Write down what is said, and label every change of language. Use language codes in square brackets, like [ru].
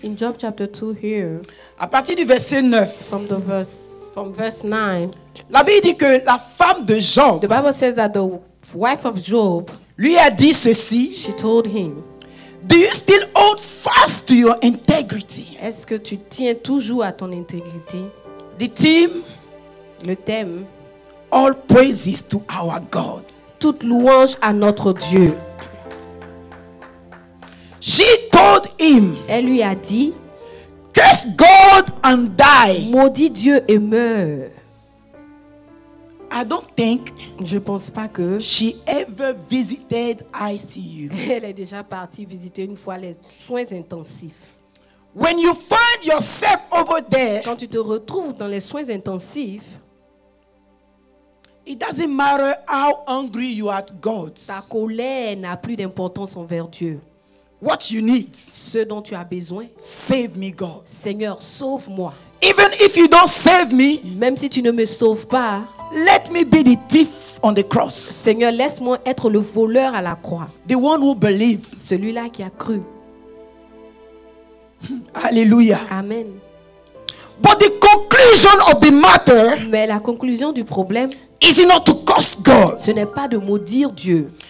[en] In Job chapter 2 here. [fr] À partir du verset 9. [en] From verse 9. [fr] La Bible dit que la femme de Job. [en] The Bible says that the wife of Job. [fr] Lui a dit ceci. [en] She told him. Do you still hold fast to your integrity? [fr] Est-ce que tu tiens toujours à ton intégrité? [en] The theme, [fr] le thème, [en] all praises to our God. [fr] Toute louange à notre Dieu. [en] She told him. [fr] Elle lui a dit. [en] Curse God and die. [fr] Maudit Dieu et meurt. [en] I don't think. [fr] Je pense pas que. [en] She ever visited ICU. [fr] Elle est déjà partie visiter une fois les soins intensifs. [en] When you find yourself over there, [fr] quand tu te retrouves dans les soins intensifs, [en] it doesn't matter how angry you are at God. [fr] Ta colère n'a plus d'importance envers Dieu. [en] What you need, [fr] ce dont tu as besoin, [en] save me, God. [fr] Seigneur, sauve-moi. [en] Even if you don't save me, [fr] même si tu ne me sauves pas, [en] let me be the thief on the cross. [fr] Seigneur, laisse-moi être le voleur à la croix. [en] The one who believed, [fr] celui-là qui a cru. Alléluia. Amen. [en] But the conclusion of the matter, [fr] mais la conclusion du problème, [en] is it not to curse God? [fr] Ce n'est pas de maudire Dieu.